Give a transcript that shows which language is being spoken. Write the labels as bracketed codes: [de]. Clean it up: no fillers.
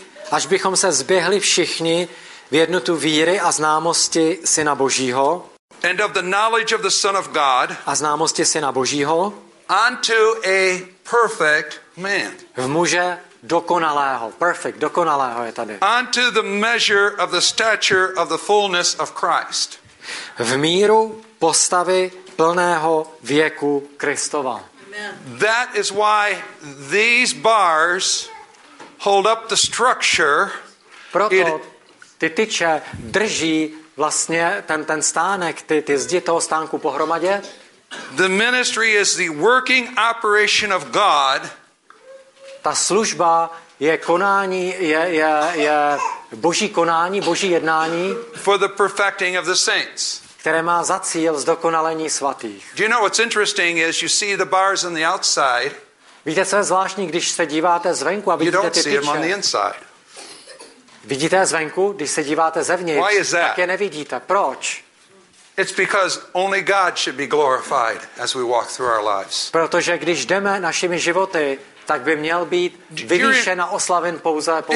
[cs] Až bychom se zběhli všichni v jednotu víry a známosti Syna Božího. [en] And of the knowledge of the Son of God. [cs] A známosti Syna Božího. [en] Unto a perfect man. [cs] V muže dokonalého. Perfect, dokonalého je tady. [en] Unto the measure of the stature of the fullness of Christ. [cs] V míru postavy plného věku Kristova. [en] That is why these bars hold up the structure. [cs] Proto ty tyče drží vlastně ten stánek, ty zdi toho stánku pohromadě. [en] The ministry is the working operation of God. [cs] Ta služba je konání, je boží konání, boží jednání. [en] For the perfecting of the saints. [cs] Které má za cíl zdokonalení svatých. [en] Do you know what's interesting is you see the bars on the outside. [cs] Víte, co je zvláštní, když se díváte zvenku a vidíte ty tyče. [en] You don't see them on the inside. [cs] Vidíte zvenku, když se díváte zevnitř, [en] why is that? [cs] Tak je nevidíte. Proč? [en] It's because only God should be glorified as we walk through our lives. [cs] Protože když jdeme našimi životy, tak by měl být vyvýšen a oslaven pouze Bůh.